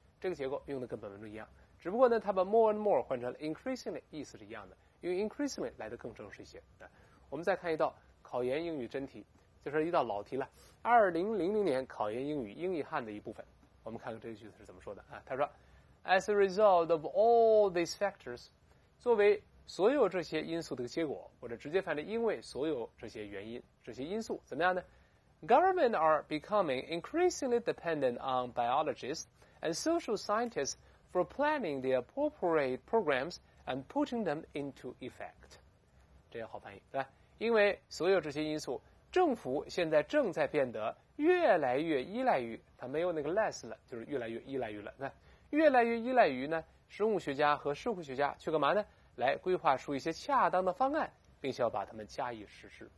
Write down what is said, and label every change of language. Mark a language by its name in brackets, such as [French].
[Chinese] 这个结构用的跟本文中一样，只不过呢，他把 more and more 换成了 increasingly， 意思是一样的，因为 increasingly 来得更正式一些。我们再看一道考研英语真题，就是一道老题了，2000年考研英语英译汉的一部分，我们看看这个句子是怎么说的啊？他说。 [English] As a result of all these factors, [Chinese] 作为所有这些因素的结果，或者直接翻译，因为所有这些原因、这些因素，怎么样呢 [English] ？Government are becoming increasingly dependent on biologists and social scientists for planning the appropriate programs and putting them into effect. [Chinese] 这也好翻译，对吧？因为所有这些因素，政府现在正在变得越来越依赖于它，没有那个 less 了，就是越来越依赖于了，对吧？越来越依赖于呢，生物学家和社会学家去干嘛呢？来规划出一些恰当的方案，并且要把它们加以实施。